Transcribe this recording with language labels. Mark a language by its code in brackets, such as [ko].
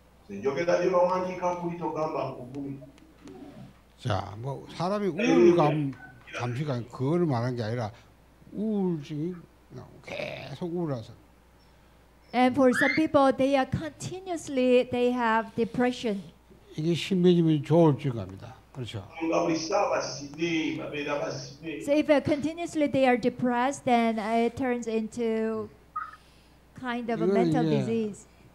[ko] So, 사람이 우울감 잠시간 그걸 말한 게 아니라 우울증이 계속 우울해서. [en] And for some people, they are continuously, they have depression. [ko] 이게 심해지면 조울증입니다. 그렇죠? [en] So if continuously they are depressed, then it turns into kind of a mental disease.